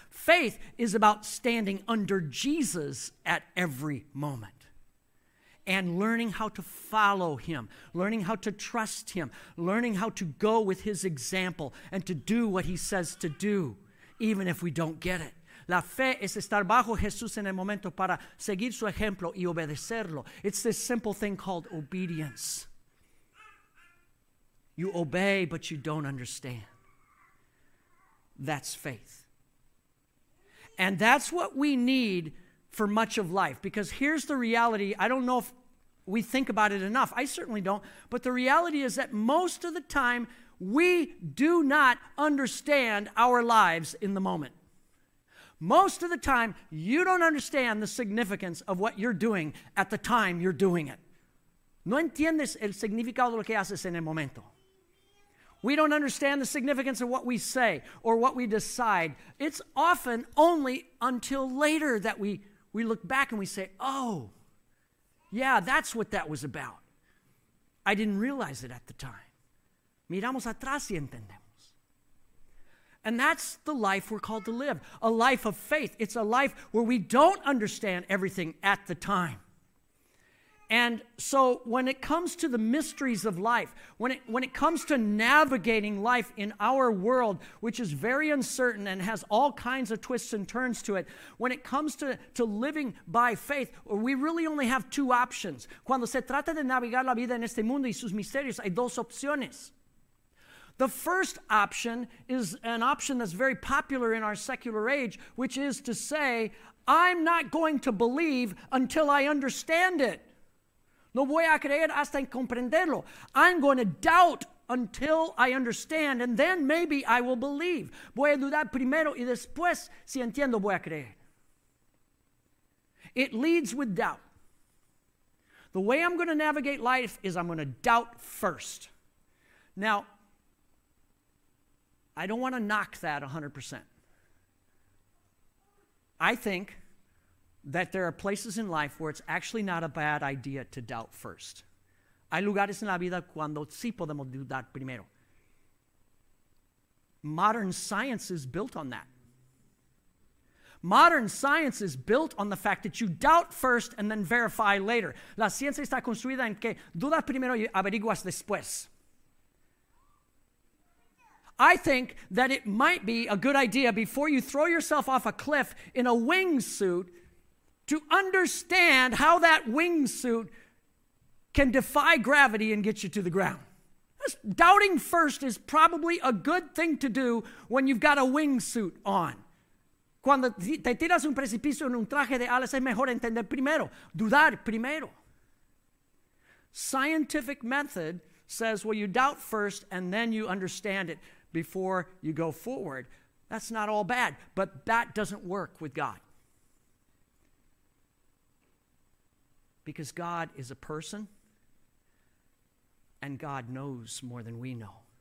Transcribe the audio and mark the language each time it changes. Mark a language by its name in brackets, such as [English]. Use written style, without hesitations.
[English] Faith is about standing under Jesus at every moment and learning how to follow him, learning how to trust him, learning how to go with his example and to do what he says to do, even if we don't get it. [Spanish] La fe es estar bajo Jesús en el momento para seguir su ejemplo y obedecerlo. [English] It's this simple thing called obedience. You obey, but you don't understand. That's faith. And that's what we need for much of life. Because here's the reality. I don't know if we think about it enough. I certainly don't. But the reality is that most of the time, we do not understand our lives in the moment. Most of the time, you don't understand the significance of what you're doing at the time you're doing it. [Spanish] No entiendes el significado de lo que haces en el momento. [English] We don't understand the significance of what we say or what we decide. It's often only until later that we look back and we say, oh, yeah, that's what that was about. I didn't realize it at the time. [Spanish] Miramos atrás y entendemos. [English] And that's the life we're called to live, a life of faith. It's a life where we don't understand everything at the time. And so when it comes to the mysteries of life, when it comes to navigating life in our world, which is very uncertain and has all kinds of twists and turns to it, when it comes to living by faith, we really only have two options. [Spanish] Cuando se trata de navegar la vida en este mundo y sus misterios, hay dos opciones. [English] The first option is an option that's very popular in our secular age, which is to say, I'm not going to believe until I understand it. [Spanish] No voy a creer hasta comprenderlo. [English] I'm going to doubt until I understand, and then maybe I will believe. [Spanish] Voy a dudar primero y después, si entiendo, voy a creer. [English] It leads with doubt. The way I'm going to navigate life is I'm going to doubt first. Now, I don't want to knock that 100%. I think that there are places in life where it's actually not a bad idea to doubt first. [Spanish] Hay lugares en la vida cuando sí podemos dudar primero. [English] Modern science is built on that. Modern science is built on the fact that you doubt first and then verify later. [Spanish] La ciencia está construida en que dudas primero y averiguas después. [English] I think that it might be a good idea before you throw yourself off a cliff in a wingsuit to understand how that wingsuit can defy gravity and get you to the ground. Doubting first is probably a good thing to do when you've got a wingsuit on. [Spanish] Cuando te tiras un precipicio en un traje de alas, es mejor entender primero, dudar primero. [English] Scientific method says, well, you doubt first and then you understand it before you go forward. That's not all bad, but that doesn't work with God. Because God is a person, and God knows more than we know.